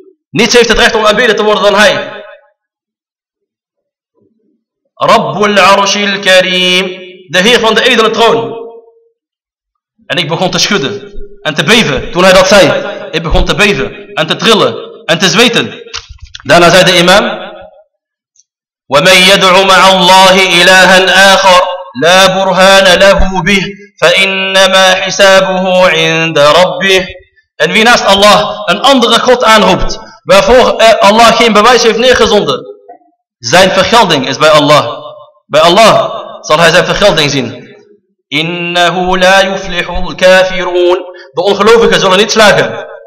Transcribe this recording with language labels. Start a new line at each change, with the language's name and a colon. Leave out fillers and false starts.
Dutch: Niets heeft het recht om aanbidden te worden dan hij.
Arabic: رَبُّ الْعَرْشِ الْكَرِيمِ.
Dutch: De heer van de edele troon. En ik begon te schudden en te beven toen hij dat zei. Ik begon te beven en te trillen en te zweten. Daarna zei de imam,
Arabic: وَمَنْ يَدْعُ مَعَ اللَّهِ إِلَٰهًا آخَرْ لَا بُرْهَانَ لَهُ بِهِ فَإِنَّمَا حِسَابُهُ عِنْدَ رَبِّهِ.
Dutch: En wie naast Allah een andere God aanroept, waarvoor Allah geen bewijs heeft neergezonden, zijn vergelding is bij Allah. Bij Allah zal hij zijn vergelding zien.
Arabic: إِنَّهُ لَا يُفْلِحُ الْكَافِرُونَ.
Dutch: De ongelovigen zullen niet slagen.